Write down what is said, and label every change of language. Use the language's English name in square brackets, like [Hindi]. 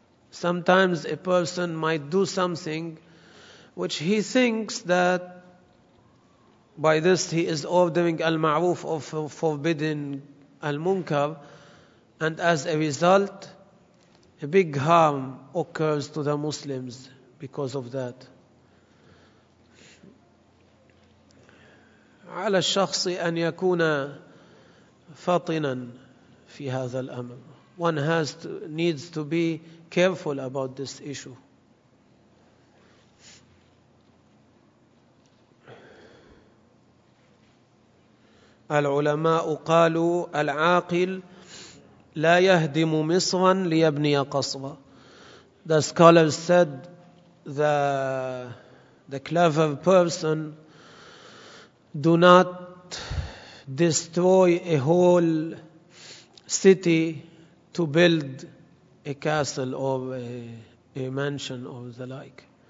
[English] Sometimes a person might do something which he thinks that by this he is ordering al-ma'ruf or forbidding al-munkar, and as a result, a big harm occurs to the Muslims because of that. [Arabic] على الشخص أن يكون فاطنا في هذا الأمر. [English] One needs to be careful about this issue. [Arabic] العلماء قالوا العاقل لا يهدم مصرا ليبني قصرا. [English] The scholars said the clever person do not destroy a whole city to build a castle or a mansion or the like.